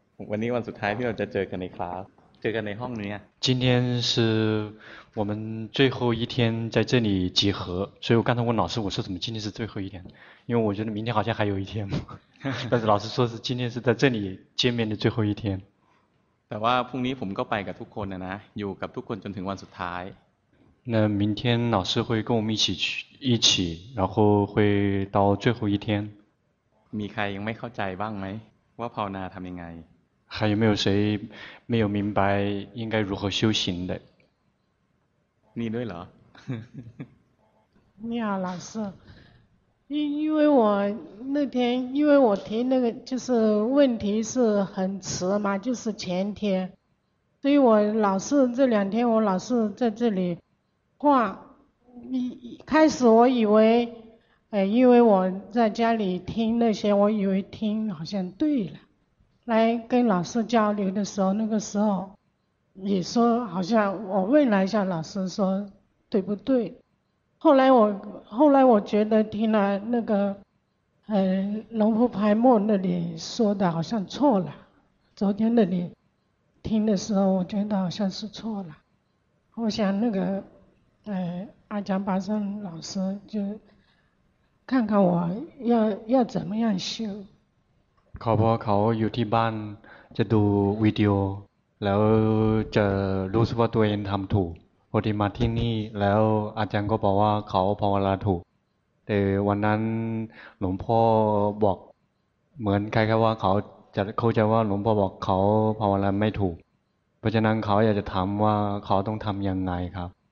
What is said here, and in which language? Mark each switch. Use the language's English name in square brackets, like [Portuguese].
[Thai] วันนี้วันสุดท้ายที่เราจะเจอกันในคลาสเจอกันในห้องนี้ [Chinese] 今天是我们最后一天在这里集合，所以我刚才问老师，我说怎么今天是最后一天？因为我觉得明天好像还有一天，但是老师说是今天是在这里见面的最后一天。 [Thai] แต่ว่าพรุ่งนี้ผมก็ไปกับทุกคนนะอยู่กับทุกคนจนถึงวันสุดท้าย [Chinese] 那明天老师会跟我们一起，然后会到最后一天。 [Thai] มีใครยังไม่เข้าใจบ้างไหมว่าภาวนาทำยังไง [Chinese] 还有没有谁没有明白应该如何修行的？你对了。你好，老师。因为我那天，因为我提那个就是问题是很迟嘛，就是前天，所以我老是这两天我老是在这里挂。开始我以为，因为我在家里听那些，我以为听好像对了。来跟老师交流的时候，那个时候也说好像我问了一下老师说对不对？后来我觉得听了那个，龙婆拍末那里说的好像错了。昨天那里听的时候，我觉得好像是错了。我想那个，阿姜巴生老师就看看我要怎么样修。 [Thai] เขาบอกเขาอยู่ที่บ้านจะดูวิดีโอแล้วจะรู้สึกว่าตัวเองทำถูกพอดีมาที่นี่แล้วอาจารย์ก็บอกว่าเขาภาวนาถูกแต่วันนั้นหลวงพ่อบอกเหมือนคล้ายๆว่าเขาจะเข้าใจว่าหลวงพ่อบอกเขาภาวนาไม่ถูกเพราะฉะนั้นเขาอยากจะถามว่าเขาต้องทำยังไงครับ